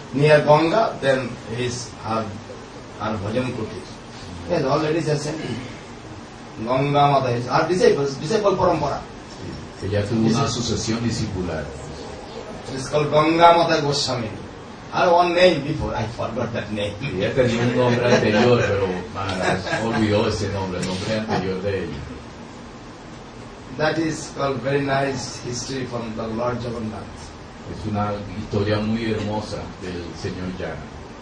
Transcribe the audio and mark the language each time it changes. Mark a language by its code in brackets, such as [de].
[en] Near Ganga, then is her bhajan kutis. Yes, all ladies are sending. Ganga Mata is our disciples, disciple parampara. [es] Sí. Ella tuvo una sucesión discipular. [en] It is called Ganga Mata Goswami. I have one name before, I forgot that name. [es] Ella tenía un nombre anterior, pero Maharaj olvidó ese nombre, el nombre anterior de ella. [en] That is called very nice history from the Lord Jagannath. [es] Es una historia muy hermosa del señor Jagannath.